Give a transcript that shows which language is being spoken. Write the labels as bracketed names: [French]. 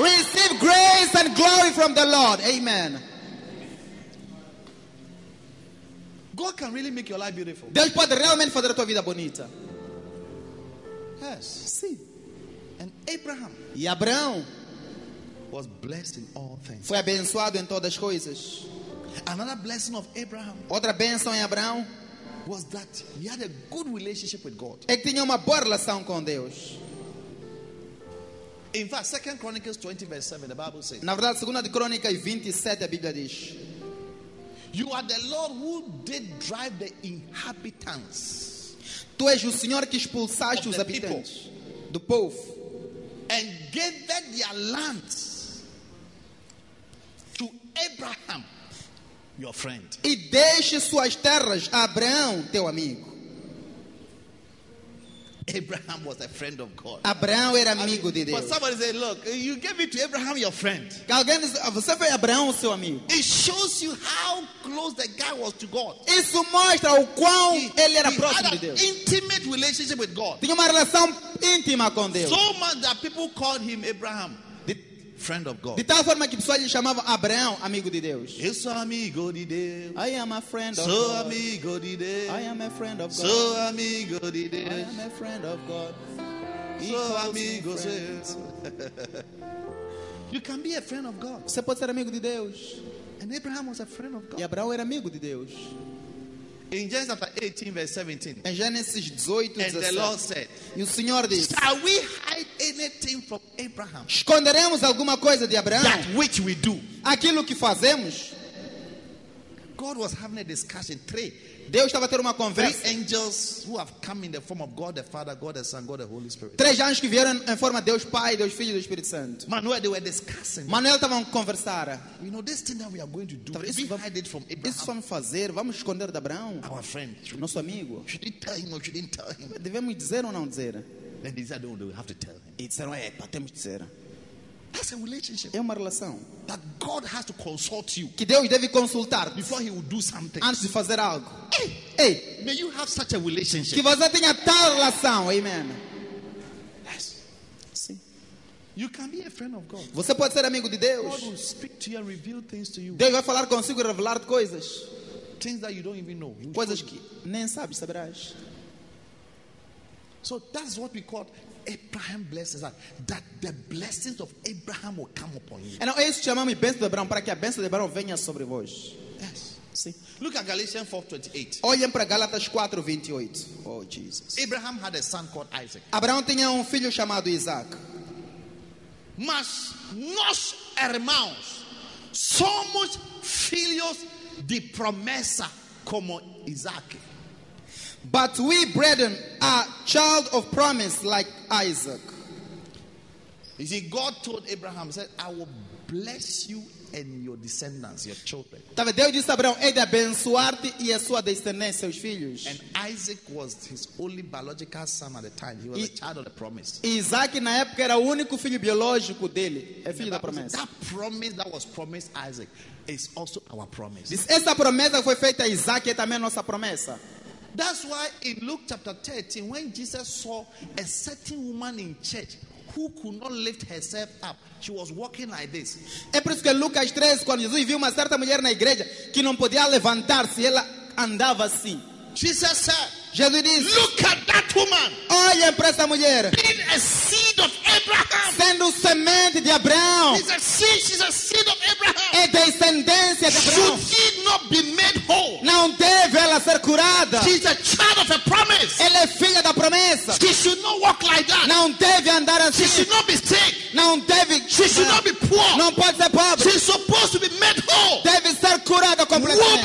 [English] Receive grace and glory from the Lord. Amen. God can really make your life beautiful. [Portuguese] Deus pode realmente fazer a tua vida bonita. [English] Yes. [Portuguese] Sim. [English] And Abraham. [Portuguese] E Abraão [English] was blessed in all things. [Portuguese] Foi abençoado em todas as coisas. [English] Another blessing of Abraham. [Portuguese] Outra bênção em Abraão [English] was that he had a good relationship with God. [Portuguese] Ele tinha uma boa relação com Deus. [English] In fact, 2 Chronicles 20 verse 7, the Bible says. [Portuguese] Na verdade, 2 Crônicas 27, a Bíblia diz. [English] You are the Lord who did drive the inhabitants. [Portuguese] Tu és o Senhor que expulsaste os habitantes do povo. [English] And gave them their lands to Abraham, your friend. [Portuguese] E deixe suas terras a Abraão, teu amigo. [English] Abraham was a friend of God. [Portuguese] Abraão era amigo de Deus. [English] But somebody said, look, you gave it to Abraham, your friend. [Portuguese] Alguém disse, você foi Abraão, seu amigo. [English] It shows you how close the guy was to God. [Portuguese] Isso mostra o quão ele era próximo de Deus. [English] Intimate relationship with God. [Portuguese] Tinha uma relação íntima com Deus. [English] So much that people called him Abraham, friend of God. [Portuguese] De tal forma que pessoas lhe chamavam Abraão, amigo de Deus. Eu sou amigo de Deus. [English] I am a friend of [Portuguese] sou [English] God. [Portuguese] Sou amigo de Deus. [English] I am a friend of God. [Portuguese] Sou amigo de Deus. [English] I am a friend of God. [Portuguese] Sou amigo de Deus. [English] You can be a friend of God. [Portuguese] Você pode ser amigo de Deus. [English] And Abraham was a friend of God. [Portuguese] E Abraão era amigo de Deus. [English] In Genesis 18, verse 17. [Portuguese] Em Gênesis 18, [English] and 17. The Lord said, [Portuguese] e o Senhor diz, [English] shall we hide anything from Abraham? [Portuguese] Esconderemos alguma coisa de Abraão? [English] That which we do. [Portuguese] Aquilo que fazemos. [English] God was having a discussion. Three. [Portuguese] Deus estava a ter uma conversa. [English] Three angels who have come in the form of God the Father, God the Son, God the Holy Spirit. [Portuguese] Três anjos que vieram em forma de Deus Pai, Deus Filho e Deus Espírito Santo. [English] Manuel, they were discussing. [Portuguese] Manuel estava a conversar. [English] You know this thing that we are going to do. Isso we hide it from Abraham. [Portuguese] Isso vamos fazer? Vamos esconder de Abraão? [English] Our friend, [Portuguese] nosso amigo. [English] Should we tell him or should we tell him? [Portuguese] Devemos dizer ou não dizer? [English] Then they said, "No, we have to tell him." [Portuguese] E disseram, é, para temos que dizer. [English] That's a relationship. [Portuguese] É uma relação. [English] That God has to consult you. [Portuguese] Que Deus deve consultar [English] before he will do something. [Portuguese] Antes de fazer algo. [English] Hey, may you have such a relationship. [Portuguese] Que você tenha tal relação. [English] Amen. Yes. [Portuguese] Sim. [English] You can be a friend of God. [Portuguese] Você pode ser amigo de Deus. [English] God will speak to you and reveal things to you. [Portuguese] Deus vai falar consigo e revelar coisas. [English] Things that you don't even know. [Portuguese] Coisas que nem sabes, saberás. [English] So that's what we call Abraham blessings, that the blessings of Abraham will come upon you. [Portuguese] E não é isso que chamamos bênção de Abraão, para que a bênção de Abraão venha sobre vós. [English] Yes. [Portuguese] Sim. [English] Look at Galatians 4:28. [Portuguese] Olhem para Gálatas 4:28. Oh Jesus. [English] Abraham had a son called Isaac. [Portuguese] Abraão tinha filho chamado Isaac. Mas nós, irmãos, somos filhos de promessa como Isaac. [English] But we brethren are child of promise like Isaac. You see, God told Abraham, he said, I will bless you and your descendants, your children. [Portuguese] Deus disse a Abraão, hei de abençoar-te e a sua descendência, seus filhos. [English] And Isaac was his only biological son at the time. He was a child of the promise. [Portuguese] Isaac na época era o único filho biológico dele, é filho da promessa. [English] That promise that was promised Isaac is also our promise. [Portuguese] Essa promessa que foi feita a Isaac é também nossa promessa. [English] That's why in Luke chapter 13, when Jesus saw a certain woman in church who could not lift herself up, she was walking like this. [Portuguese] É por isso que Lucas 13, quando Jesus viu uma certa mulher na igreja que não podia levantar-se, ela andava assim. [English] Jesus said, [Portuguese] Jesus disse, [English] look at that woman. [Portuguese] Olha para essa mulher. [English] Being a seed of Abraham. [Portuguese] Sendo semente de Abraão. [English] She's a seed of Abraham. [Portuguese] É descendência de Abraão. [English] Should she not be made whole? [Portuguese] Não deve ela ser curada. [English] She's a child of a promise. [Portuguese] Ela é filha da promessa. [English] She should not walk like that. [Portuguese] Não deve andar assim. [English] She should not be sick. [Portuguese] Não deve. [English] She should not be poor. [Portuguese] Não pode ser pobre. [English] She's supposed to be made whole. [Portuguese] Deve ser curada completamente.